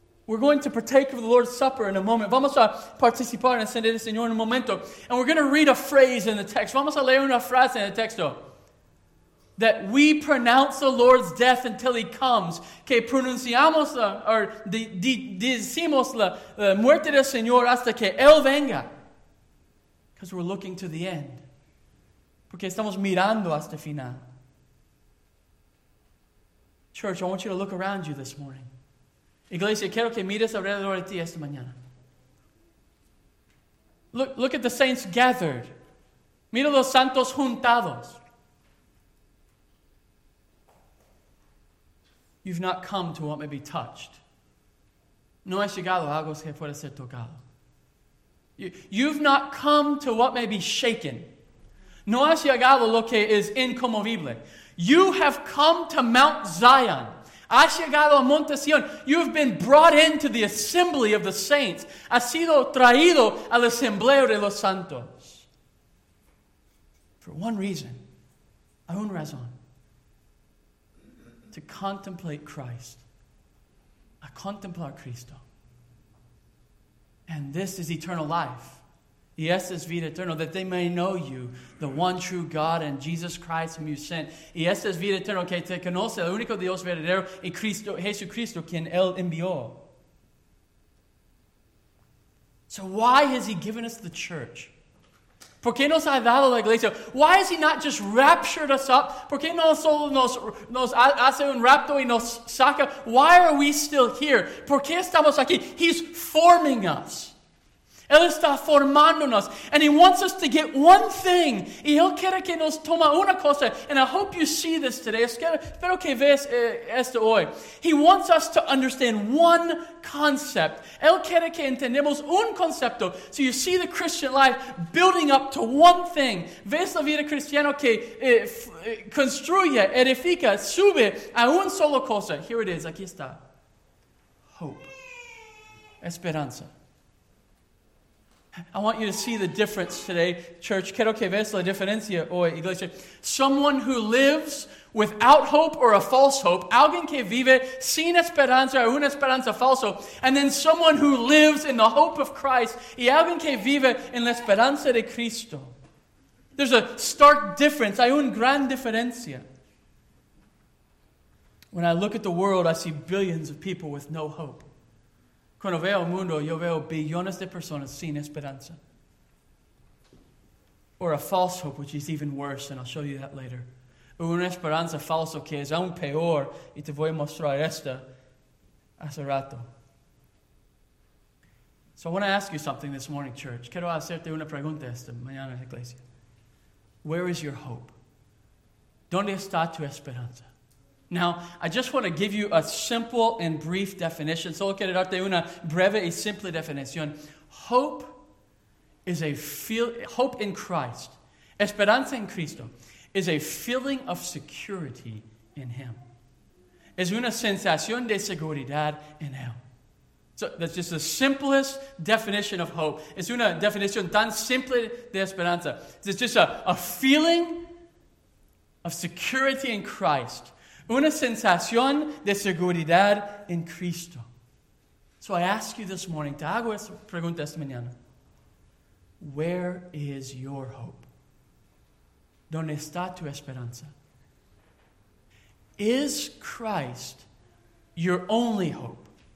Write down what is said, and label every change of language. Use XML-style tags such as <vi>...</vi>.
<en>We're going to partake of the Lord's Supper in a moment.</en> <es>Vamos a participar en la cena del Señor en un momento.</es> <en>And we're going to read a phrase in the text.</en> <es>Vamos a leer una frase en el texto.</es> <en>That we pronounce the Lord's death until he comes.</en> <es>Que pronunciamos decimos la muerte del Señor hasta que Él venga.</es> <en>Because we're looking to the end.</en> <es>Porque estamos mirando hasta el final.</es> <en>Church, I want you to look around you this morning.</en> <es>Iglesia, quiero que mires alrededor de ti esta mañana.</es> <en>Look at the saints gathered.</en> <es>Mira los santos juntados.</es> <en>You've not come to what may be touched.</en> <es>No has llegado a algo que pueda ser tocado.</es> <en>You've not come to what may be shaken.</en> <es>No has llegado lo que es inconmovible.</es> <en>You have come to Mount Zion.</en> <es>Has llegado a Monte Sion.</es> <en>You have been brought into the assembly of the saints.</en> <es>Has sido traído al asambleo de los santos.</es> <en>For one reason.</en> <es>A un razón.</es> <en>To contemplate Christ.</en> <es>A contemplar Cristo.</es> <en>And this is eternal life.</en> <es>Y esta es vida eterna.</es> <en>That they may know you, the one true God and Jesus Christ whom you sent.</en> <es>Y esta es vida eterna. Que te conoce el único Dios verdadero y Cristo, Jesucristo, quien Él envió.</es> <en>So why has He given us the church?</en> <es>¿Por qué nos ha dado la iglesia?</es> <en>Why has He not just raptured us up?</en> <es>¿Por qué no solo nos hace un rapto y nos saca?</es> <en>Why are we still here?</en> <es>¿Por qué estamos aquí?</es> <en>He's forming us.</en> <es>Él está formándonos.</es> <en>And He wants us to get one thing.</en> <es>Y Él quiere que nos toma una cosa.</es> <en>And I hope you see this today.</en> <es>Espero que veas esto hoy.</es> <en>He wants us to understand one concept.</en> <es>Él quiere que entendamos un concepto.</es> <en>So you see the Christian life building up to one thing.</en> <es>Ves la vida cristiana que construye, edifica, sube a un solo cosa.</es> <en>Here it is.</en> <es>Aquí está.</es> <en>Hope.</en> <es>Esperanza.</es> <en>I want you to see the difference today, church.</en> <es>Quiero que veas la diferencia hoy, iglesia.</es> <en>Someone who lives without hope or a false hope.</en> <es>Alguien que vive sin esperanza o una esperanza falsa.</es> <en>And then someone who lives in the hope of Christ.</en> <es>Y alguien que vive en la esperanza de Cristo.</es> <en>There's a stark difference.</en> <es>Hay una gran diferencia.</es> <en>When I look at the world, I see billions of people with no hope.</en> <es>Cuando veo el mundo, yo veo billones de personas sin esperanza.</es> <en>Or a false hope, which is even worse, and I'll show you that later.</en> <es>Una esperanza falsa que es aún peor, y te voy a mostrar esta hace rato.</es> <en>So I want to ask you something this morning, church.</en> <es>Quiero hacerte una pregunta esta mañana, iglesia.</es> <en>Where is your hope?</en> <es>¿Dónde está tu esperanza?</es> <en>Now, I just want to give you a simple and brief definition.</en> <es>Solo quiero darte una breve y simple definición.</es> <en>Hope is a hope in Christ.</en> <es>Esperanza en Cristo</es> <en>is a feeling of security in Him.</en> <es>Es una sensación de seguridad en Él.</es> <en>So that's just the simplest definition of hope.</en> <es>Es una definición tan simple de esperanza.</es> <en>It's just a feeling of security in Christ.</en> <es>Una sensación de seguridad en Cristo.</es> <en>So I ask you this morning,</en> <es>te hago esta pregunta esta mañana.</es> <en>Where is your hope?</en> <es>¿Dónde está tu esperanza?</es> <en>Is Christ your only hope?</en>